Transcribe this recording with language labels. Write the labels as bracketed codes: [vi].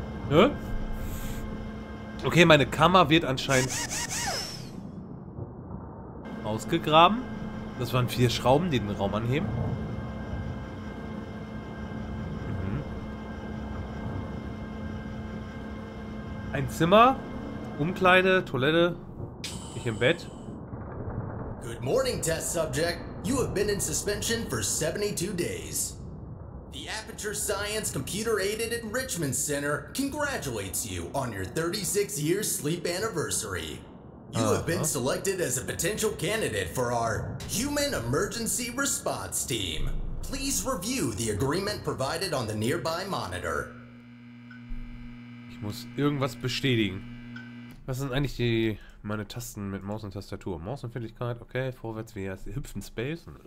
[de] Hä? Okay, meine Kammer wird anscheinend ausgegraben. Das waren 4 Schrauben, die den Raum anheben. Ein Zimmer, Umkleide, Toilette, ich im Bett. [en] Good morning, test subject. You have been in suspension for 72 days. The Aperture Science Computer-Aided Enrichment Center congratulates you on your 36-year sleep anniversary. You have been selected as a potential candidate for our Human Emergency Response Team. Please review the agreement provided on the nearby monitor. [de] Ich muss irgendwas bestätigen. Was sind eigentlich meine Tasten mit Maus und Tastatur? Mausempfindlichkeit, okay, vorwärts, wie heißt, hüpfen Space.